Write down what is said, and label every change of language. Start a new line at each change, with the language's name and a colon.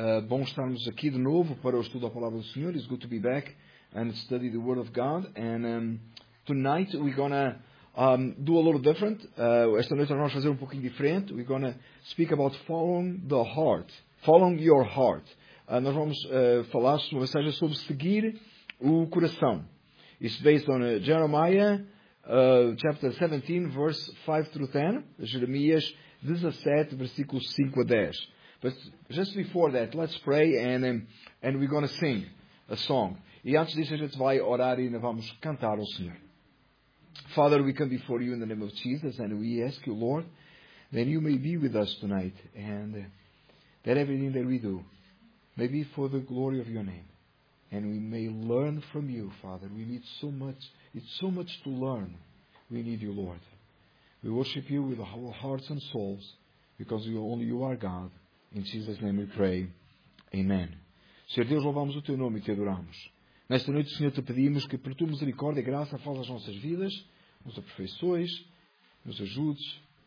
Portuguese: Bom estarmos aqui de novo para o estudo da Palavra do Senhor.
English: It's good to be back and study the Word of God. And tonight we're going to do a little different.
Portuguese: Esta noite nós vamos fazer um pouquinho diferente.
English: We're going to speak about following the heart. Following your heart.
Portuguese: Nós vamos falar sobre uma mensagem sobre seguir o coração.
English: It's based on Jeremiah chapter 17, verse 5 through 10.
Portuguese: Jeremias 17, versículos 5 a 10.
English: But just before that, let's pray and we're going to sing a song.
Portuguese: E antes disso, a gente vai orar e vamos cantar ao Senhor.
English: Father, we come before you in the name of Jesus and we ask you, Lord, that you may be with us tonight and that everything that we do may be for the glory of your name. And we may learn from you, Father. We need so much. It's so much to learn. We need you, Lord. We worship you with our hearts and souls because only you are God. In Jesus' name we pray. Amen.
Portuguese: Senhor Deus, louvamos o Teu nome e Te adoramos. Nesta noite, Senhor, Te pedimos que por Tua misericórdia e graça fales as nossas vidas, nos aperfeiçoes, nos ajudes.